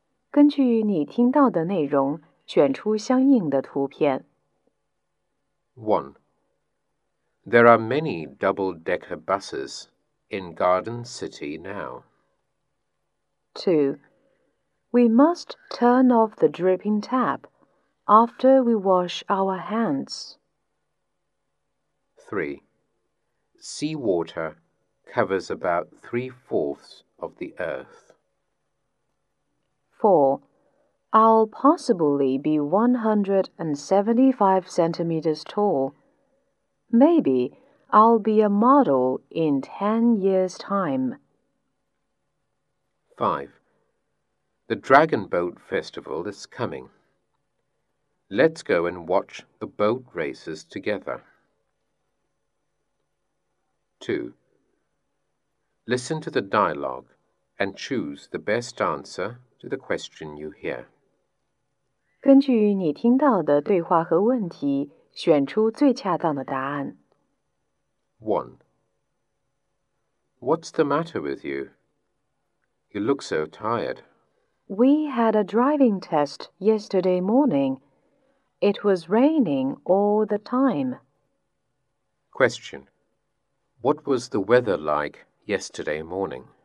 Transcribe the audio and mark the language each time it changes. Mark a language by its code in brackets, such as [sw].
[zh] 根据你听到的内容, 选出相应的图片. [en] 1. There are many double-decker buses in Garden City now. 2. We must turn off the dripping tap after we wash our hands. 3. Seawater covers about 3/4 of the earth. 4. I'll possibly be 175 centimeters tall. Maybe I'll be a model in 10 years' time. 5. The Dragon Boat Festival is coming. Let's go and watch the boat races together. 2. Listen to the dialogue and choose the best answer to the question you hear. [zh] 根据你听到的对话和问题, 选出最恰当的答案。 [en] 1. What's the matter with you? You look so tired. We had a driving test yesterday morning. It was raining all the time. Question. What was the weather like yesterday morning?